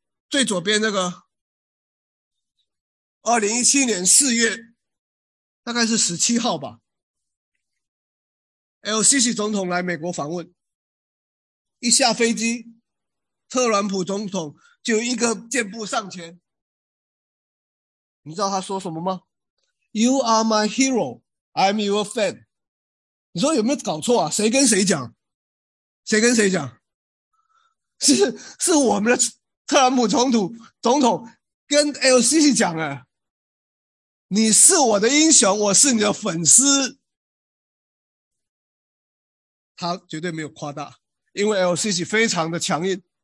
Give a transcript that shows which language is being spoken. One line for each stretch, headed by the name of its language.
Chinese: 最左边那个2017年4月大概是17号吧， LCC 总统来美国访问，一下飞机特朗普总统就一个箭步上前，你知道他说什么吗？
English: You are my hero, I'm your fan。
Chinese: 你说有没有搞错啊？谁跟谁讲？谁跟谁讲？是我们的特朗普总统跟 LCC 讲啊，你是我的英雄，我是你的粉丝。他绝对没有夸大，因为 LCC 非常的强硬。